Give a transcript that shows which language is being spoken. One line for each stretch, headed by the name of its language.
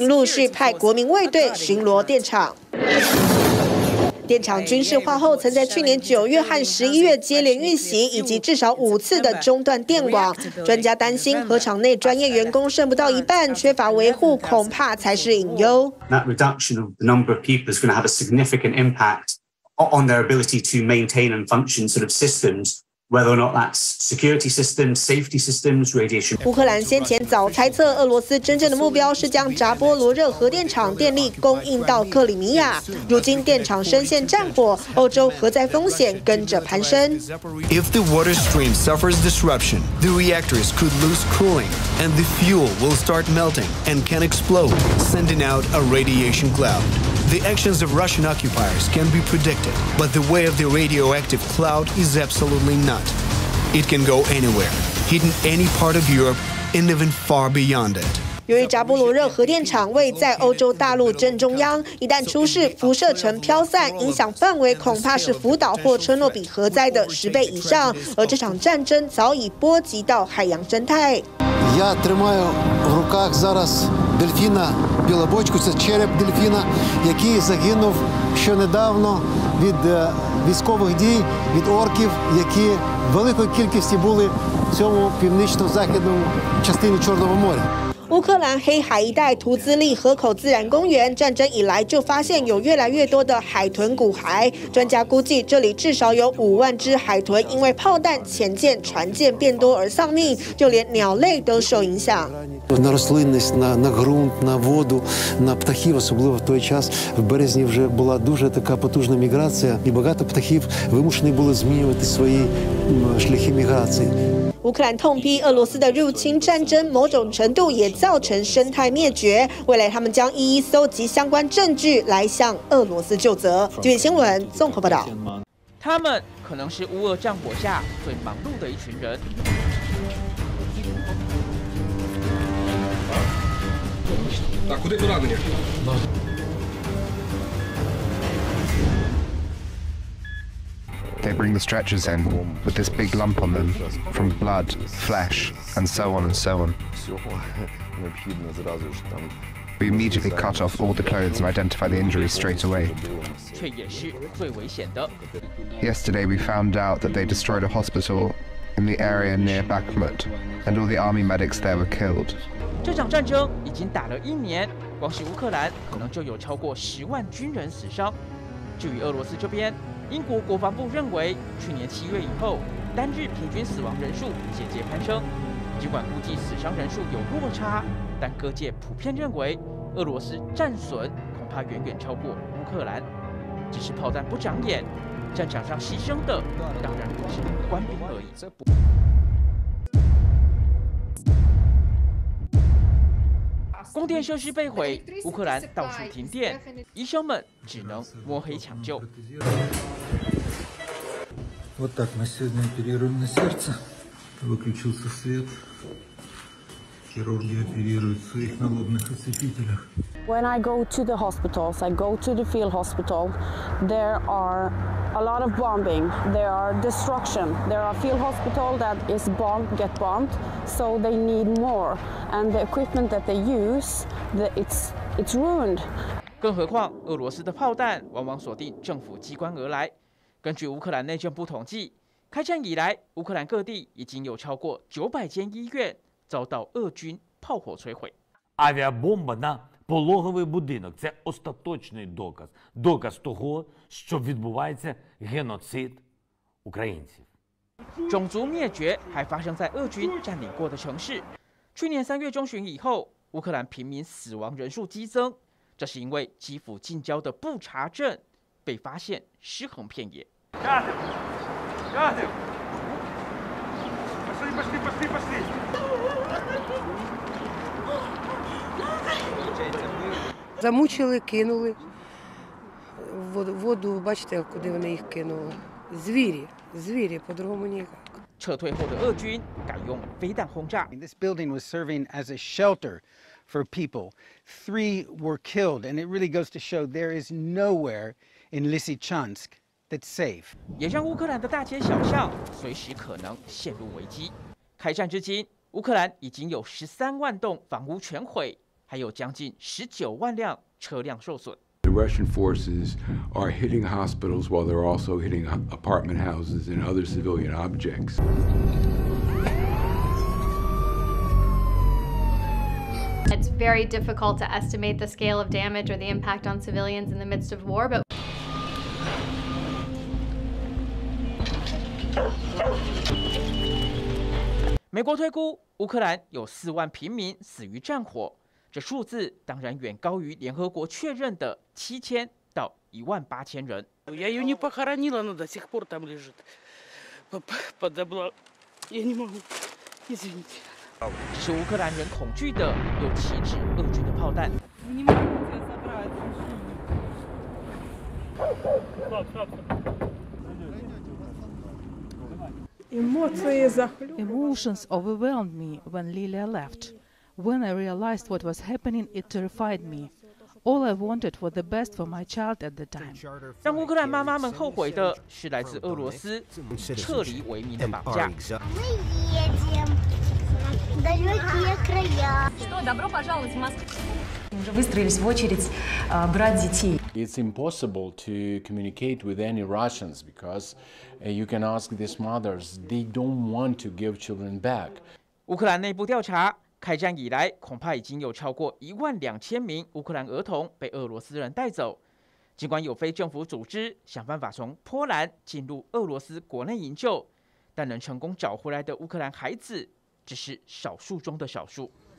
Chinese: 俄罗斯一年来不止把核厂当成军事基地，摆放大量的军车。上个月，乌克兰国家核电公司指控俄军开始把动员来的新兵先集中到核厂，再派往东部，并陆续派国民卫队巡逻电厂。电厂军事化后，曾在去年9月和11月接连运行，以及至少5次的中断电网。专家担心，核厂内专业员工剩不到一半，缺乏维护恐怕才是隐忧。
English: That reduction of the number of people is going to have a significant impact on their ability to maintain and function sort of systems whether or not that's security systems, safety systems, radiation.
Chinese: 乌克兰先前早猜测俄罗斯真正的目标是将扎波罗热核电厂电力供应到克里米亚。如今电厂深陷战火，欧洲核灾风险跟着攀升。
English: If the water stream suffers disruption, the reactors could lose cooling, and the fuel will start melting and can explode, sending out a radiation cloud. The actions of Russian occupiers can be predicted, but the way of the radioactive cloud is absolutely not. It can go anywhere, hidden any part of Europe, and even far beyond it.
Chinese: 由于扎波罗热核电厂位在欧洲大陆正中央，一旦出事，辐射层飘散，影响范围恐怕是福岛或车诺比核灾的十倍以上。而这场战争早已波及到海洋生态。
Ukrainian: Я тримаю в руках зараз дельфіна білобочку, це череп дельфіна, який загинув ще недавно від військових дій, від орків, які в великій кількості були в цьому північно-західному частині Чорного моря.
Chinese: 乌克兰黑海一带图兹利河口自然公园，战争以来就发现有越来越多的海豚骨骸。专家估计，这里至少有50,000只海豚因为炮弹、潜舰、船舰变多而丧命，就连鸟类都受影响。
Ukrainian: На рослинність, на ґрунт, на воду, на птахів, особливо в той час в березні вже була дуже така потужна міграція, і багато птахів вимушені були змінювати свої шляхи міграції.
Chinese: 乌克兰痛批俄罗斯的入侵战争某种程度也造成生态灭绝，未来他们将一一搜集相关证据来向俄罗斯就责。据新闻综合报道。他们可能是乌俄战火下最忙碌的一群人，
English: They bring the stretchers in with this big lump on them from blood, flesh, and so on and so on. We immediately cut off all the clothes and identify the injuries straight away. Yesterday we found out that they destroyed a hospital in the area near Bakhmut, and all the army medics there were killed.
Chinese: 这场战争已经打了一年，光是乌克兰可能就有超过100,000军人死伤。至于俄罗斯这边，英国国防部认为，去年七月以后，单日平均死亡人数节节攀升。尽管估计死伤人数有落差，但各界普遍认为，俄罗斯战损恐怕远远超过乌克兰。只是炮弹不长眼，战场上牺牲的当然不是官兵而已。供电设施被毁，乌克兰到处停电，医生们只能摸黑抢救。
Russian: Вот так мы сегодня оперируем на сердце. Выключился свет. Хирурги оперируют в своих налобных осветителях.
English: When I go to the hospitals, I go to the field hospital. There are a lot of bombing. There are destruction. There are field hospital that is bombed, get bombed. So they need more. And the equipment that they use, it's ruined.
Chinese: 更何况，俄罗斯的炮弹往往锁定政府机关而来。根据乌克兰内政部统计，开战以来，乌克兰各地已经有超过900间医院遭到俄军炮火摧毁。
Ukrainian: Авіабомба на пологовий будинок – це остаточний доказ, доказ того, що відбувається геноцид українців.
Chinese: 种族灭绝还发生在俄军占领过的城市。去年三月中旬以后，乌克兰平民死亡人数激增，这是因为基辅近郊的布查镇。被发现尸横遍野。
Ukrainian: Замучили, кинули воду. Бачите, куди вони їх кинули? Звірі, звірі, по-другому ніяк.
Chinese: 撤退后的俄军改用飞弹轰炸。
English: This building was serving as a shelter for people. Three were killed, and it really goes to show there is nowhere. In Lysychansk, that's safe.
Chinese: 也让乌克兰的大街小巷随时可能陷入危机。开战至今，乌克兰已经有130,000栋房屋全毁，还有将近190,000辆车辆受损。
English: The Russian forces are hitting hospitals while they're also hitting apartment houses and other civilian objects.
Chinese: 美国推估乌克兰有40000平民死于战火，这数字当然远高于联合国确认的7000到18000人。
Russian: Я ее не похоронила, она до сих пор там лежит. Под облак. Я не могу. Извините.
Chinese: 使乌克兰人恐惧的有7支俄军的炮弹。
English: Emotions overwhelmed me when Lilia left. When I realized what was happening, it terrified me. All I wanted was the best for my child at the time.
Chinese: 让乌克兰妈妈们后悔的是来自俄罗斯撤离为民的绑架。
Russian: Мы едем в далекие края. Что, добро пожаловать в Москву?
English: It's impossible to communicate with any Russians because you can ask these mothers, they don't want to give children back.
Chinese: 乌克兰内部调查，开战以来恐怕已经有超过12000名乌克兰儿童被俄罗斯人带走。尽管有非政府组织想办法从波兰进入俄罗斯国内营救，但能成功找回来的乌克兰孩子只是少数中的少数。